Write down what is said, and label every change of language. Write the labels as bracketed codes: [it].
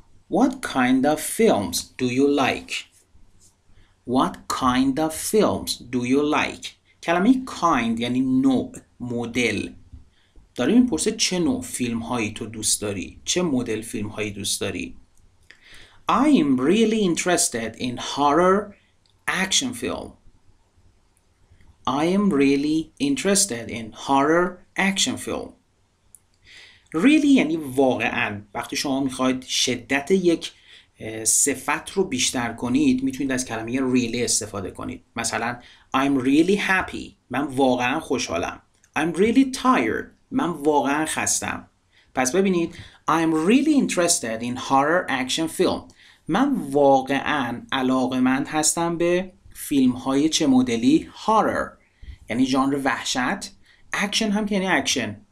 [en] What kind of films do you like? What kind of films do you like? [fa] کلمه kind یعنی نوع، مدل. داره میپرسه چه نوع فیلم هایی تو دوست داری؟ چه مدل فیلم هایی دوست داری؟ [en] I am really interested in horror action film. I am really interested in horror action film. [fa] Really یعنی واقعا. وقتی شما میخواید شدت یک صفت رو بیشتر کنید میتونید از کلمه really استفاده کنید. مثلا [en] I'm really happy، [fa] من واقعا خوشحالم. [en] I'm really tired، [fa] من واقعا خستم. پس ببینید [en] I'm really interested in horror action film، [fa] من واقعا علاقمند هستم به فیلم های چه مدلی؟ horror یعنی ژانر وحشت، action هم که یعنی action.